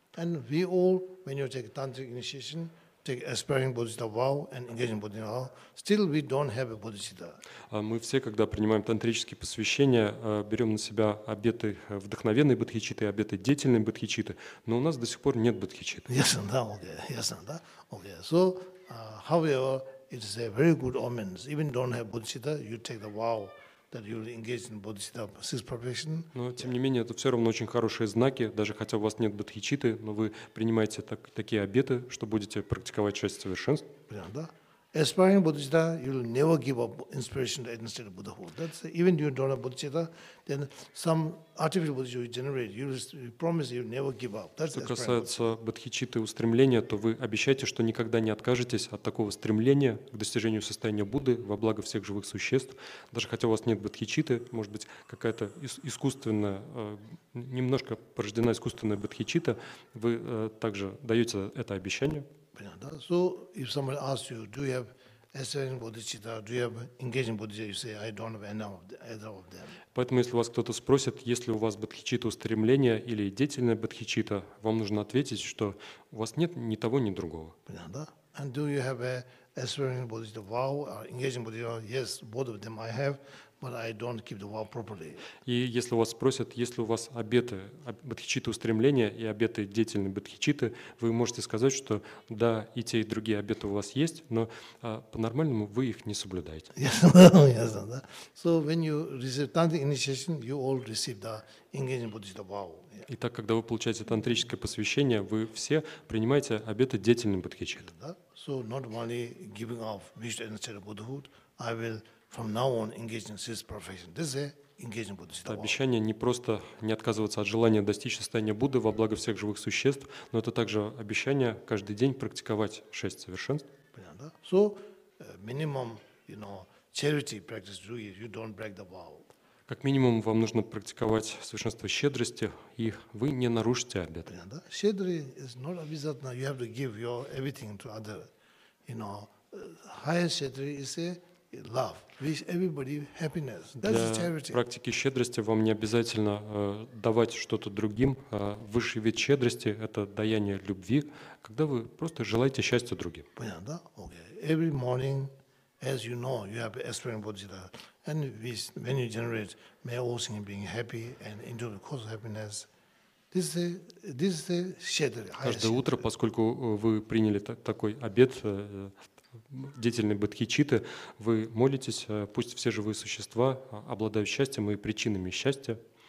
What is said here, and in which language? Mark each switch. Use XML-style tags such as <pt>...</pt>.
<en>And we all, when you take tantric initiation, take aspiring bodhicitta vow and engaging bodhicitta vow, still we don't have a bodhicitta.</en> <ru>Мы все, когда принимаем тантрические посвящения, берем на себя обеты вдохновенной бодхичитты и обеты деятельной бодхичитты, но у нас до сих пор нет бодхичитты. Ясно, да, окей, ясно, да, окей.</ru> <en>So, however, it is a very good omen. Even don't have bodhicitta, you take the vow. That you engage in bodhicitta six perfection.</en> <ru>Но тем не менее это все равно очень хорошие знаки, даже хотя у вас нет бодхичитты, но вы принимаете такие обеты, что будете практиковать шесть совершенств. Понятно, да?</ru> <en>Aspiring bodhicitta, you will never give up inspiration to attain state of Buddhahood. That's even if you don't have bodhicitta, then some artificial bodhicitta you generate, you promise you never give up.</en> <ru>Что касается бодхичитты устремления, то вы обещаете, что никогда не откажетесь от такого стремления к достижению состояния Будды во благо всех живых существ. Даже хотя у вас нет бодхичитты, может быть, какая-то искусственная, немножко порождена искусственная бодхичитта, вы также даете это обещание.</ru> <en>So if someone asks you, do you have aspiring bodhicitta, do you have engaging bodhicitta, you say, I don't have any of either of them.</en> <ru>Поэтому если вас кто-то спросит, есть ли у вас бодхичитта устремления или деятельная бодхичитта, вам нужно ответить, что у вас нет ни того, ни другого.</ru> <en>And do you have aspiring bodhicitta vow or engaging bodhicitta? Yes, both of them I have. But I don't keep the vow properly.</en> <ru>И если у вас спросят, есть ли у вас обеты бодхичитты устремления и обеты деятельной бодхичитты, вы можете сказать, что да, и те, и другие обеты у вас есть, но по-нормальному вы их не соблюдаете. Ясно, да?</ru> <en>So when you receive tantric initiation, you all receive the engaging bodhicitta vow.</en> <ru>Итак, когда вы получаете тантрическое посвящение, вы все принимаете обеты деятельной бодхичитты.</ru> <en>So not only giving up wisdom and state of Buddhahood, I will from now on engage in this profession. This is engaging bodhicitta.</en> <ru>Обещание не просто не отказываться от желания достичь состояния Будды во благо всех живых существ, но это также обещание каждый день практиковать шесть совершенств. Понятно?</ru> <en>So minimum, you know, charity practice do if you don't break the vow.</en> <ru>Как минимум вам нужно практиковать совершенство щедрости, и вы не нарушите обет. Понятно? Щедрый</ru> <en>is not</en> <ru>обязательно.</ru> <en>You have to give your everything to other. You know, higher</en> <ru>щедрый</ru> <en>is a love, wish everybody happiness. That's charity.</en> <ru>Для практики щедрости вам не обязательно давать что-то другим. Высший вид щедрости – это даяние любви, когда вы просто желаете счастья другим. Понятно, да? Okay.</ru> <en>Every morning, as you know, you have aspiring bodhicitta, and when you generate, may all sentient beings happy and enjoy the cause of happiness.</en> <ru>Каждое утро, поскольку вы приняли такой обет, деятельные бодхичитты, вы молитесь, пусть все живые существа обладают счастьем и причинами счастья.</ru>